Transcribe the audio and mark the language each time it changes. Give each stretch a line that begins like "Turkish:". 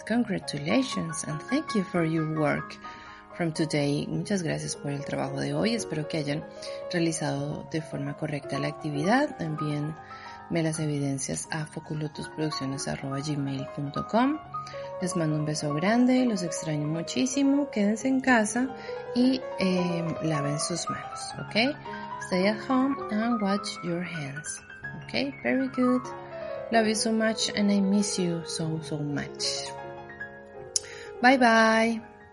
English: Congratulations and thank you for your work from today.
Spanish: Muchas gracias por el trabajo de hoy. Espero que hayan realizado de forma correcta la actividad. También me las evidencias a foculotusproducciones@gmail.com. Les mando un beso grande, los extraño muchísimo. Quédense en casa y laven sus manos, ¿ok?
English: Stay at home and wash your hands, ¿ok? Very good. Love you so much and I miss you so, so much. Bye bye.